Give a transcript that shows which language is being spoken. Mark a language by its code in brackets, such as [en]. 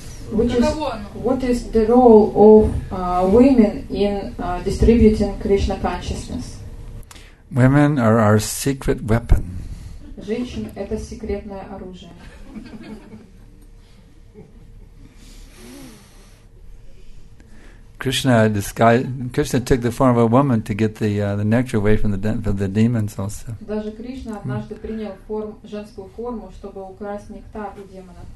[en] What is the role of women in distributing Krishna consciousness? Women are our secret weapon. [ru] Женщины – это секретное оружие. [en] Krishna took the form of a woman to get the nectar away from the demons also. [ru] Даже Кришна однажды принял женскую форму, чтобы украсть нектар у демонов.